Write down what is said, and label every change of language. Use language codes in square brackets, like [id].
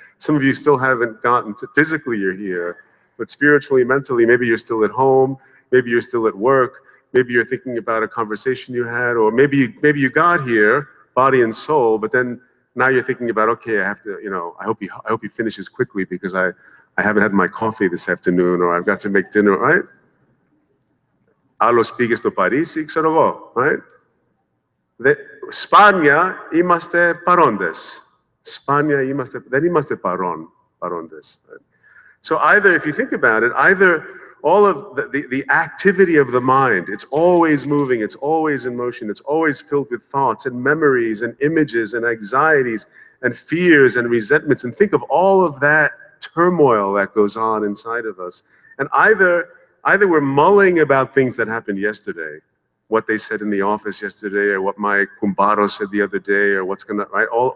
[en] Some of you still haven't gotten to, physically you're here, but spiritually, mentally, maybe you're still at home, maybe you're still at work, maybe you're thinking about a conversation you had, or maybe you got here, body and soul, but then now you're thinking about, okay, I have to, I hope he finishes quickly because I haven't had my coffee this afternoon, or I've got to make dinner, right? [el] Άλλος πήγε στο Παρίσι, ξέρω εγώ, [en] right? [el] Σπάνια είμαστε παρόντες. Σπάνια είμαστε, δεν είμαστε παρόντες. [en] So either, if you think about it, either all of the activity of the mind, it's always moving, it's always in motion, it's always filled with thoughts and memories and images and anxieties and fears and resentments. And think of all of that turmoil that goes on inside of us. And either we're mulling about things that happened yesterday, what they said in the office yesterday, or what my cumbaro said the other day, or what's gonna, right?